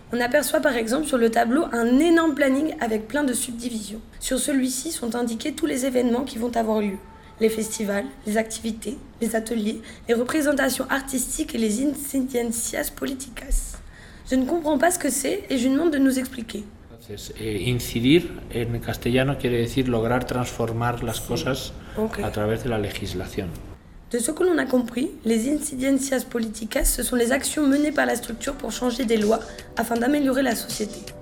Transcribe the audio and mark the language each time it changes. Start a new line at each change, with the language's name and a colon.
French: On aperçoit par exemple sur le tableau un énorme planning avec plein de subdivisions. Sur celui-ci sont indiqués tous les événements qui vont avoir lieu. Les festivals, les activités, les ateliers, les représentations artistiques et les incidencias políticas. Je ne comprends pas ce que c'est et je lui demande de nous expliquer.
Spanish: Incidir en castellano quiere decir lograr transformar las cosas a través de la legislación.
French: De ce que l'on a compris, les incidencias políticas, ce sont les actions menées par la structure pour changer des lois afin d'améliorer la société.